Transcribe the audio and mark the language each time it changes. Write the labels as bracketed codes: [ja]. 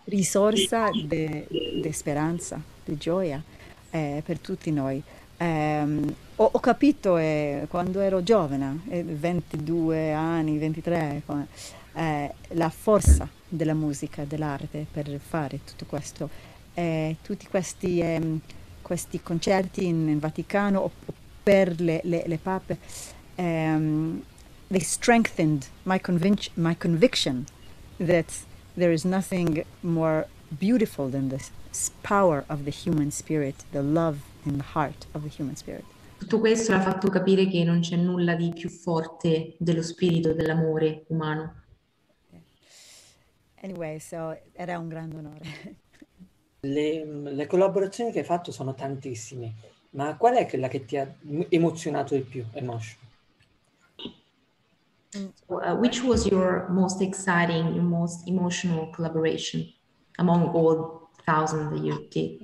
[it] di speranza, di gioia per tutti noi. Ho capito quando ero giovane, 22 anni, 23, la forza della musica, dell'arte per fare tutto questo. Tutti questi concerti in Vaticano o per le pape, [en] they strengthened my conviction that there is nothing more beautiful than this power of the human spirit, the love in the heart of the human spirit. [it] Tutto questo l'ha fatto capire che non c'è nulla di più forte dello spirito dell'amore umano. Anyway, so era un grande onore. Le collaborazioni che hai fatto sono tantissime, ma qual è quella che ti ha emozionato di più, Emosh? [en] Which was your most exciting, your most emotional collaboration among all thousands that you did?